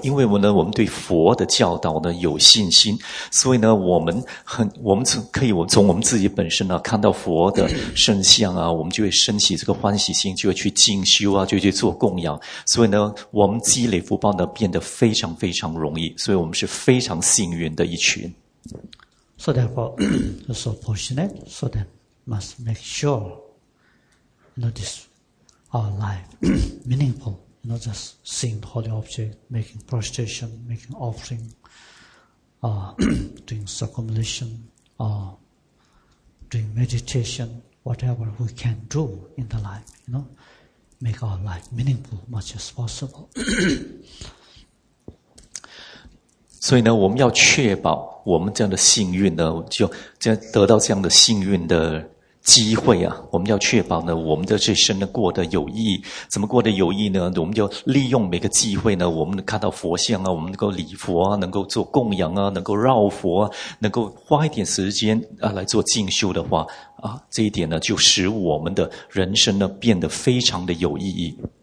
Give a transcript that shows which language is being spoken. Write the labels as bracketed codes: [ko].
[zh] 因为我们对佛的教导呢有信心，所以呢，我们从我们自己本身呢看到佛的圣像啊，我们就会升起这个欢喜心，就会去进修啊，就去做供养。所以呢，我们积累福报呢变得非常非常容易。所以我们是非常幸运的一群。 [en] So therefore, so fortunate, so that must make sure, you know, this, our life, meaningful, you know, just seeing the holy object, making prostration, making offering, doing circumcision, doing meditation, whatever we can do in the life, you know, make our life meaningful much as possible. [zh] 所以呢，我们要确保我们这样的幸运呢，就这样得到这样的幸运的机会啊，我们要确保呢，我们的这生呢过得有意义。怎么过得有意义呢？我们就利用每个机会呢，我们看到佛像啊，我们能够礼佛啊，能够做供养啊，能够绕佛啊，能够花一点时间啊来做进修的话啊，这一点呢，就使我们的人生呢变得非常的有意义。